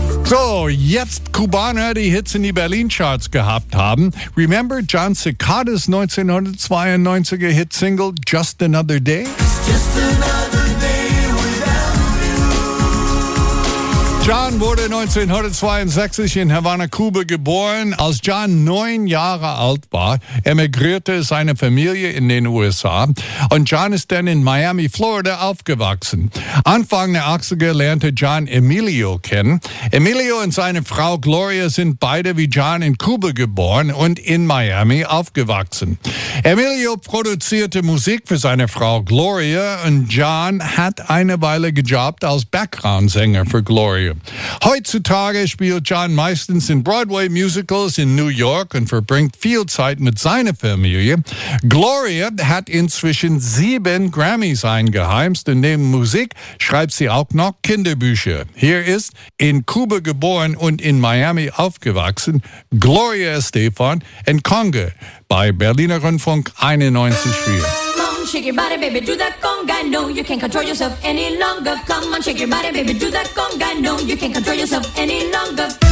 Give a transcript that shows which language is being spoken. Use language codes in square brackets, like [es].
[de] So, jetzt Kubaner, die Hits in die Berlin-Charts gehabt haben. [en] Remember John Cicada's 1992er Hit-Single Just Another Day? It's just another day without you. [de] John wurde 1962 in Havanna, Kuba geboren. Als John 9 Jahre alt war, emigrierte seine Familie in den USA. Und John ist dann in Miami, Florida aufgewachsen. Anfang der 80er lernte John Emilio kennen. Emilio und seine Frau Gloria sind beide wie John in Kuba geboren und in Miami aufgewachsen. Emilio produzierte Musik für seine Frau Gloria und John hat eine Weile gejobbt als Background-Sänger für Gloria. Heutzutage spielt John meistens in Broadway Musicals in New York und verbringt viel Zeit mit seiner Familie. Gloria hat inzwischen 7 Grammys eingeheimst und neben Musik schreibt sie auch noch Kinderbücher. Hier ist, in Kuba geboren und in Miami aufgewachsen, Gloria Estefan in Conga bei Berliner Rundfunk 91.4. [en] Shake your body, baby, do that conga. No, you can't control yourself any longer. Come on, shake your body, baby, do that conga. No, you can't control yourself any longer.